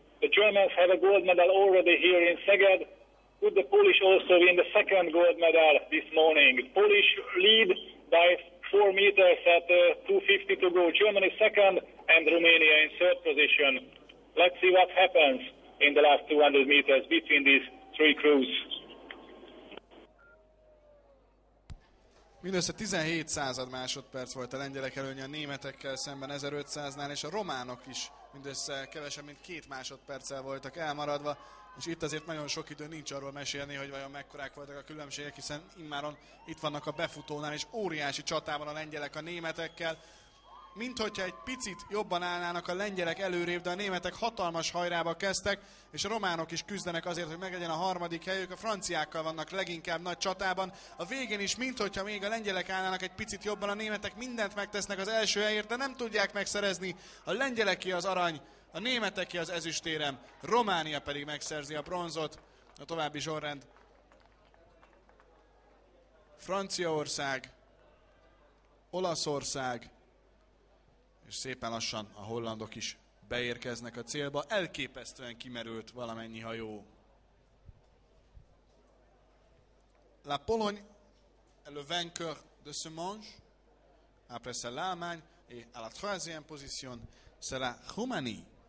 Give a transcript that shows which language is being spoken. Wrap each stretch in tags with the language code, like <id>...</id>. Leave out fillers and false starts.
<en>The Germans have a gold medal already here in Szeged. Could the Polish also win the second gold medal this morning? Polish lead by 4 meters at 2:50 to go. Germany second and Romania in third position. Let's see what happens in the last 200 meters between these three crews.</en> <hu>Mindössze 17 század másodperc volt a lengyelek előnye a németekkel szemben 1500-nál, és a románok is mindössze kevesebb, mint 2 másodperccel voltak elmaradva, és itt azért nagyon sok idő nincs arról mesélni, hogy vajon mekkorák voltak a különbségek, hiszen immáron itt vannak a befutónál, és óriási csatában a lengyelek a németekkel. Minthogyha egy picit jobban állnának a lengyelek előrébb, de a németek hatalmas hajrába kezdtek, és a románok is küzdenek azért, hogy meglegyen a harmadik helyük, a franciákkal vannak leginkább nagy csatában. A végén is, minthogyha még a lengyelek állnának egy picit jobban, a németek mindent megtesznek az első helyért, de nem tudják megszerezni. A lengyeleké az arany, a németeké az ezüstérem, Románia pedig megszerzi a bronzot. A további sorrend. Franciaország, Olaszország, és szépen lassan a hollandok is beérkeznek a célba. Elképesztően kimerült valamennyi hajó.</hu> <fr>La Pologne, et le vainqueur de ce manche, après c'est l'Allemagne, et à la troisième position, c'est la Roumanie.</fr>